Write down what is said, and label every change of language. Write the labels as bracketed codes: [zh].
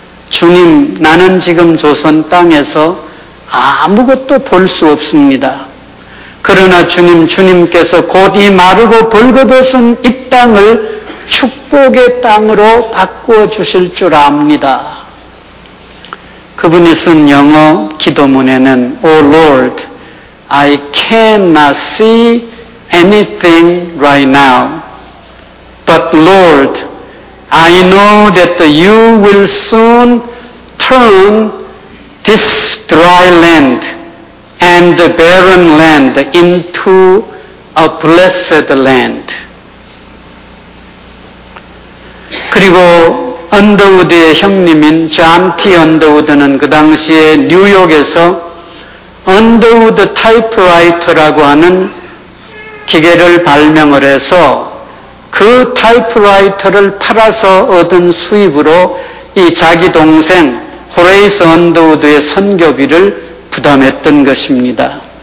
[ko] 주님, 나는 지금 조선 땅에서 아무것도 볼 수 없습니다. 그러나 주님께서 곧 이 마르고 벌거벗은 이 땅을 축복의 땅으로 바꾸어 주실 줄 압니다. 그분이 쓴 영어 기도문에는 [en] O Lord, I cannot see anything right now. But Lord, I know that you will soon turn this dry land and the barren land into a blessed land. [ko] 그리고 언더우드의 형님인 존 T. 언더우드는 그 당시에 뉴욕에서 언더우드 타이프라이터라고 하는 기계를 발명을 해서 그 타이프라이터를 팔아서 얻은 수입으로 이 자기 동생 호레이스 언더우드의 선교비를 부담했던 것입니다.